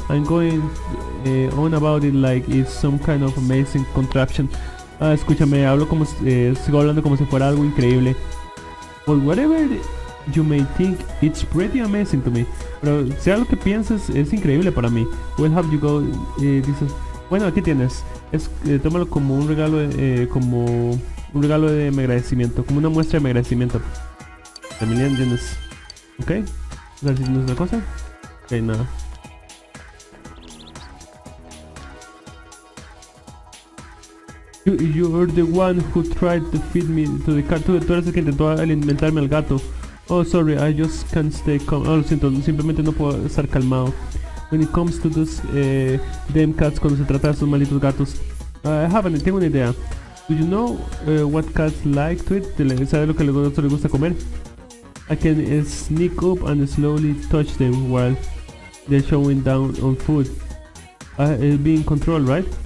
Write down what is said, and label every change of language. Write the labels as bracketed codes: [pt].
[en] I'm going on about it like it's some kind of amazing contraption. [es] Escúchame, hablo como sigo hablando como si fuera algo increíble. [en] But whatever you may think, it's pretty amazing to me. [es] Pero sea lo que pienses, es increíble para mí. [en] We'll have you go, [es] dices. Bueno, aquí tienes. Es, tómalo como un regalo de agradecimiento. Como una muestra de agradecimiento. También entiendes. Ok. A ver si tienes otra cosa. Ok, nada. [en] You're the one who tried to feed me to the cat. [es] Tú eres el que intentó alimentarme al gato. [en] Oh, sorry, I just can't stay calm. [es] Oh, lo siento, simplemente no puedo estar calmado. [en] When it comes to those damn cats, [es] cuando se trata de esos malditos gatos. Tengo una idea. [en] Do you know what cats like to eat? [es] ¿Sabes lo que a los gatos les gusta comer? [en] I can sneak up and slowly touch them while they're showing down on food. It'll be in control, right?